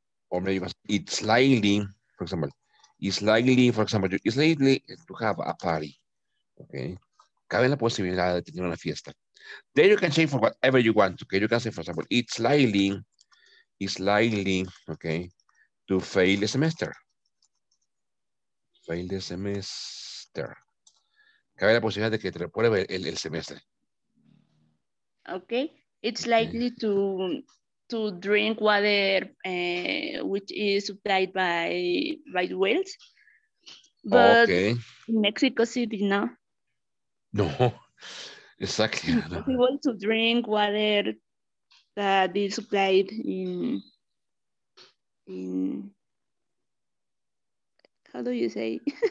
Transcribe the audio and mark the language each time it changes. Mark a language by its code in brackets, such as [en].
[en] Or maybe it's likely, for example, it's likely to have a party, okay? [es] Cabe la posibilidad de tener una fiesta. [en] Then you can change for whatever you want, okay? You can say, for example, it's likely, okay, to fail the semester. Fail the semester. [es] Cabe la posibilidad de que te repruebe el semestre. [en] Okay. It's likely to drink water which is supplied by the wells. But okay. Mexico City, no. No. Exactly. We want to drink water that is supplied in how do you say?